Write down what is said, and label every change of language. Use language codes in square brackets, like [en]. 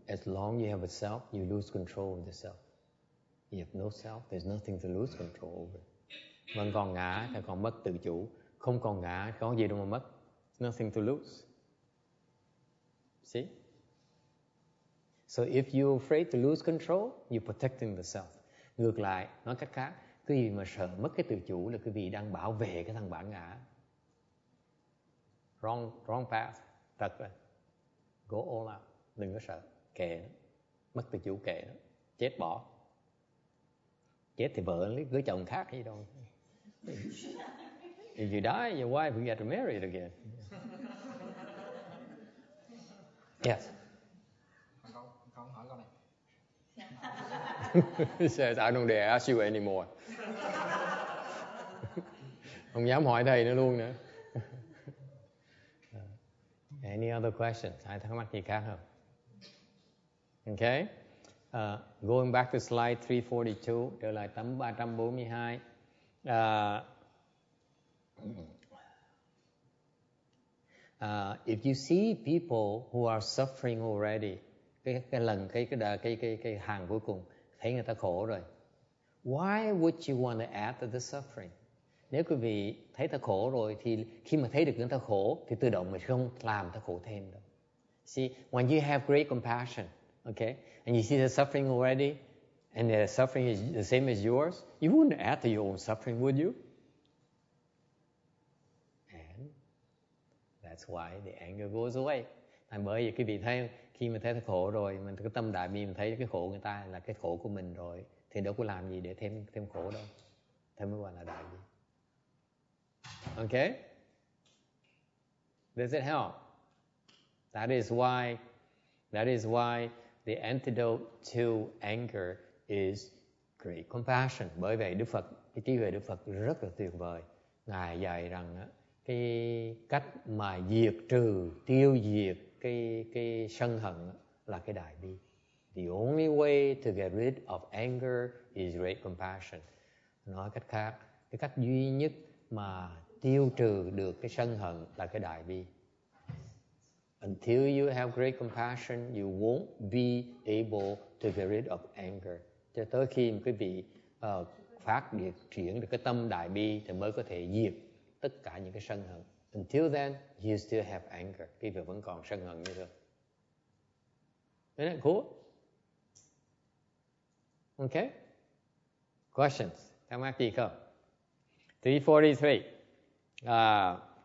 [en] As long you have a self, you lose control of the self. You have no self, there's nothing to lose control over. [vi] Vẫn còn ngã thì còn mất tự chủ. Không còn ngã, có gì đâu mà mất. [en] Nothing to lose. See? So if you're afraid to lose control, you're protecting the self. [vi] Ngược lại, nói cách khác, cái gì mà sợ mất cái tự chủ là cái gì đang bảo vệ cái thằng bản ngã. [en] Wrong path. [vi] Thật rồi. [en] Go all out. [vi] Đừng có sợ, kệ nó. Mất tự chủ kệ nó, chết bỏ. Chết thì vợ lấy cưới chồng khác gì đâu. [en] If you die, your wife will get married again. Yes. [vi] Con hỏi con này. [en] He says, I don't dare ask you anymore. [vi] Không dám hỏi thầy nữa luôn nữa. [en] Any other questions? [vi] Ai thắc mắc gì khác không? [en] Okay, going back to slide 342, [vi] trở lại tấm 342. [en] Uh, If you see people who are suffering already, [vi] cái hàng cuối cùng thấy người ta khổ rồi, [en] why would you want to add to the suffering? [vi] Nếu quý vị thấy ta khổ rồi thì khi mà thấy được người ta khổ thì tự động mình không làm ta khổ thêm đâu. [en] See, when you have great compassion, okay, and you see the suffering already, and the suffering is the same as yours, you wouldn't add to your own suffering, would you? And that's why the anger goes away. [vi] Tại bởi vì quý vị thấy khi mà thấy ta khổ rồi, mình cái tâm đại bi mình thấy cái khổ người ta là cái khổ của mình rồi, thì đâu có làm gì để thêm khổ đâu. Thế mới gọi là đại bi. [en] Okay? Does it help? That is why the antidote to anger is great compassion. [vi] Bởi vậy Đức Phật, cái trí huệ Đức Phật rất là tuyệt vời. Ngài dạy rằng cái cách mà diệt trừ, tiêu diệt cái sân hận là cái đại bi. [en] The only way to get rid of anger is great compassion. [vi] Nói cách khác, cái cách duy nhất mà tiêu trừ được cái sân hận là cái đại bi. [en] Until you have great compassion, you won't be able to get rid of anger. [vi] Cho tới khi quý vị phát biệt chuyển được cái tâm đại bi thì mới có thể diệt tất cả những cái sân hận. [en] Until then, you still have anger. [vi] Quý vị vẫn còn sân hận như thường. [en] Isn't that cool? Okay? Questions? [vi] Thắc mắc gì không? 343.